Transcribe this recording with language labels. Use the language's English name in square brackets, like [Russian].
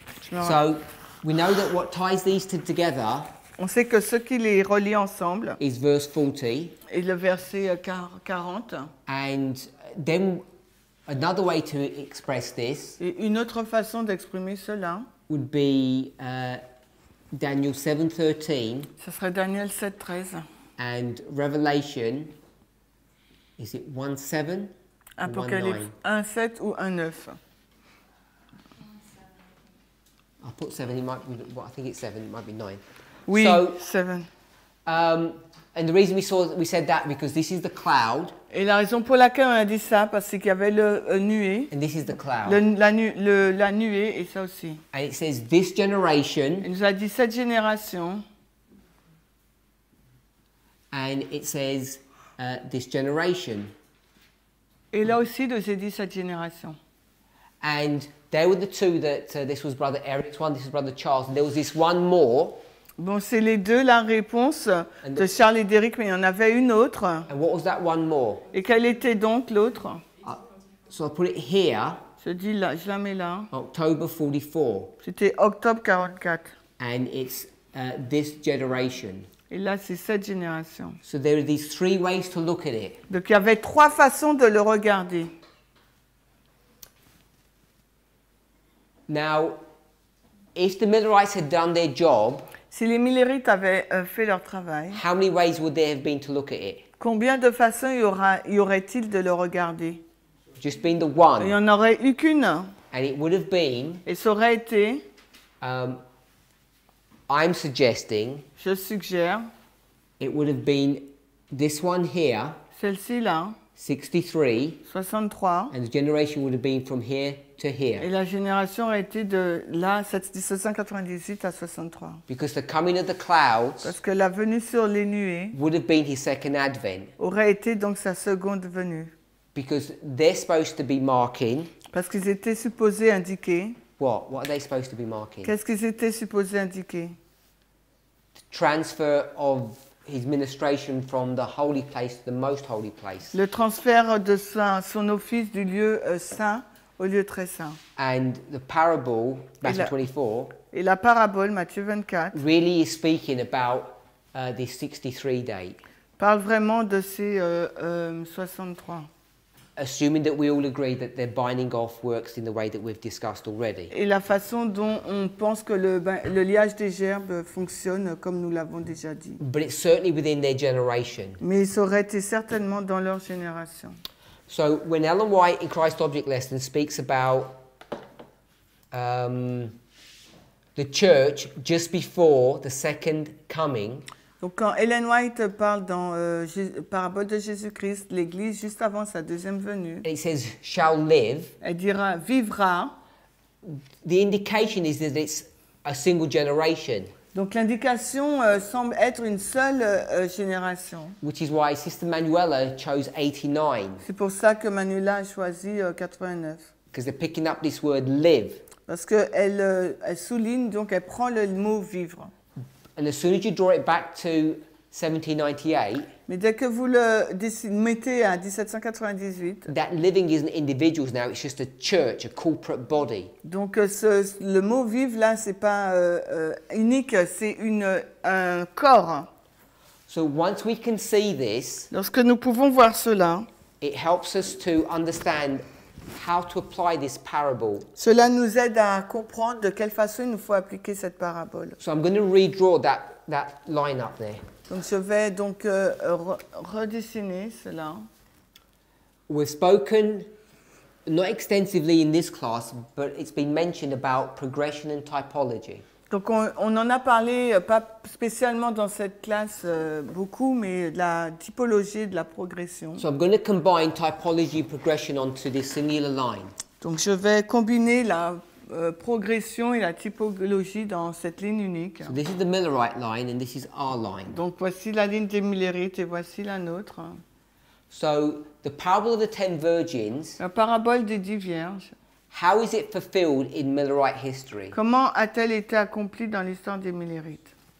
[English] So, we know that what ties these two together. [French] On sait que ce qui les relie ensemble. [English] Is verse 40. [French] Et le verset 40. [English] And then, another way to express this. [French] Et une autre façon d'exprimer cela. [English] Would be Daniel 7:13. [French] Ce serait Daniel 7:13. [English] And Revelation. Is it 1:7? [French] Apocalypse 1:7 ou 1:9? [English] I'll put 7. It might be. Well, I think it's 7. It might be 9. [French] Oui, so, 7. [English] And the reason we said that because this is the cloud. [French] Et la raison pour laquelle on a dit ça parce qu'il y avait le nuée. [English] And this is the cloud. [French] La nuée et ça aussi. [English] And it says this generation. [French] Il nous a dit cette génération. [English] And it says. This generation. [French] Et là aussi, nous a dit cette génération. [English] And there were the two that this was Brother Eric's one, this is Brother Charles. And there was this one more. [French] Bon, c'est les deux la réponse de Charles et d'Eric, mais il y en avait une autre. [English] And what was that one more? [French] Et quelle était donc l'autre? [English] So I put it here. [French] Je dis là, je la mets là. [English] October 44. [French] C'était octobre 44. [English] And it's this generation. [French] Et là, c'est cette génération. [English] So there are these three ways to look at it. [French] Donc, il y avait trois façons de le regarder. [English] Now, if the Millerites had done their job, [French] si les Millerites avaient fait leur travail, [English] how many ways would there have been to look at it? [French] Combien de façons y aurait-il de le regarder? [English] Just been the one. [French] Il n'y en aurait eu qu'une. [English] And it would have been, [French] et ça aurait été... [English] I'm suggesting. [French] Je suggère. [English] It would have been this one here. [French] Celle-ci là. [English] 63. And the generation would have been from here to here. [French] Et la génération aurait été de là, 1798 à 63. [English] Because the coming of the clouds. [French] Parce que la venue sur les nuées. [English] Would have been his second advent. [French] Aurait été donc sa seconde venue. [English] Because they're supposed to be marking. [French] Parce qu'ils étaient supposés indiquer. [English] What are they supposed to be marking? [French] Qu'est-ce qu'ils étaient supposés indiquer? [English] The transfer of his ministration from the holy place to the most holy place. [French] Le transfert de son office du lieu saint au lieu très saint. [English] And the parable, Matthew 24. [French] Et la parabole, Matthieu 24. [English] Really is speaking about this 63 date. [French] Parle vraiment de ces 63. [English] Assuming that we all agree that the binding off works in the way that we've discussed already. [French] Et la façon dont on pense que le liage des gerbes fonctionne comme nous l'avons déjà dit. [English] But it's certainly within their generation. [French] Mais ça aurait été certainement dans leur génération. [English] So when Ellen White in Christ Object Lesson speaks about the church just before the second coming. [French] Donc quand Ellen White parle dans parabole de Jésus-Christ, l'Église juste avant sa deuxième venue, [English] it says, shall live, [French] elle dira vivra. [English] The indication is that it's a single generation. [French] Donc l'indication semble être une seule génération. [English] Which is why Sister Manuela chose 89. [French] C'est pour ça que Manuela a choisi 89. [English] Because they're picking up this word live. [French] Parce qu'elle elle souligne, donc elle prend le mot vivre. [English] And as soon as you draw it back to 1798, [French] mais dès que vous le mettez à 1798, [English] that living isn't individuals now, it's just a church, a corporate body. [French] Donc le mot vivre là, c'est pas unique, c'est un corps. [English] So once we can see this, [French] lorsque nous pouvons voir cela, [English] it helps us to understand how to apply this parable. [French] Cela nous aide à comprendre de quelle façon il nous faut appliquer cette parabole. [English] So I'm going to redraw that line up there. [French] Donc je vais donc redessiner cela. [English] We've spoken not extensively in this class, but it's been mentioned about progression and typology. [French] Donc on en a parlé pas spécialement dans cette classe beaucoup, mais de la typologie, de la progression. [English] So I'm going to combine typology and progression onto this singular line. [French] Donc je vais combiner la progression et la typologie dans cette ligne unique. [English] So this is the Millerite line and this is our line. [French] Donc voici la ligne des Millerites et voici la nôtre. [English] So the parable of the ten virgins. [French] La parabole des 10 vierges. [English] How is it fulfilled in Millerite history? [French] Comment a-t-elle été accomplie dans l'histoire des Millerites?